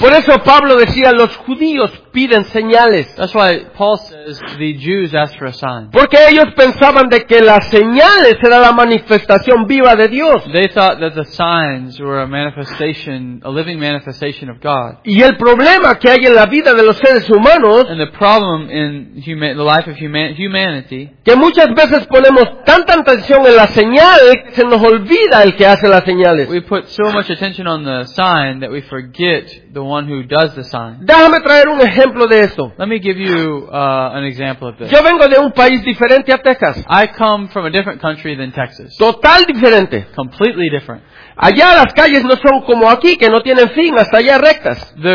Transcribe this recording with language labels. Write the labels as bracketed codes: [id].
[es] Por eso Pablo decía, los judíos piden señales. [en] That's why Paul says the Jews asked for a sign. [es] Porque ellos pensaban de que las señales era la manifestación viva de Dios. [en] They thought that the signs were a manifestation, a living manifestation of God. [es] Y el problema que hay en la vida de los seres humanos, [en] and the problem in the life of humanity, [es] que muchas veces ponemos tanta atención en la señal, se nos olvida el que hace las señales. [en] We put so much attention on the sign that we forget the one who does the sign. [es] Déjame traer un ejemplo de esto. [en] Let me give you an example of this. [es] Yo vengo de un país diferente a Texas. [en] I come from a different country than Texas. [es] Total diferente. [en] Completely different. [es] Allá las calles no son como aquí, que no tienen fin, hasta allá rectas.